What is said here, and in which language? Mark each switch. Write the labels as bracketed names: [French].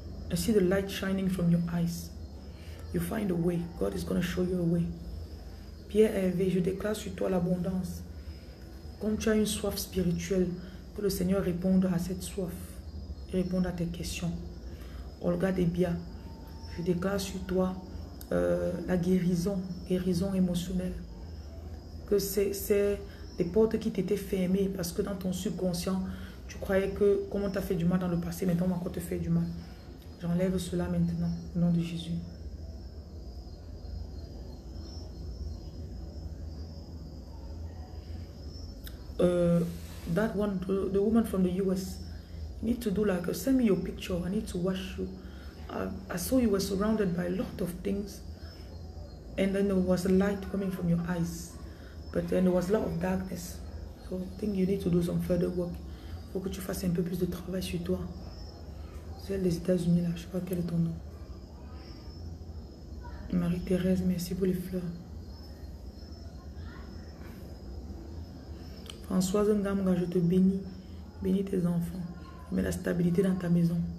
[English] I see the light shining from your eyes. You find a way. God is going to show you a way. [French] Pierre Hervé, je déclare sur toi l'abondance. Comme tu as une soif spirituelle, que le Seigneur réponde à cette soif. Il réponde à tes questions. Olga Debia, je déclare sur toi la guérison émotionnelle, que c'est les portes qui t'étaient fermées parce que dans ton subconscient tu croyais que comme on t'a fait du mal dans le passé, maintenant on va encore te faire du mal. J'enlève cela maintenant au nom de Jésus. [English] That one, the woman from the US, you need to do like a, send me your picture, I need to watch you. I saw you were surrounded by a lot of things. And then there was a light coming from your eyes. But then there was a lot of darkness. So I think you need to do some further work. [French] Faut que tu fasses un peu plus de travail sur toi. C'est les États-Unis là, je sais pas quel est ton nom. Marie-Thérèse, merci pour les fleurs. Françoise Ngamga, je te bénis. Bénis tes enfants. Mets la stabilité dans ta maison.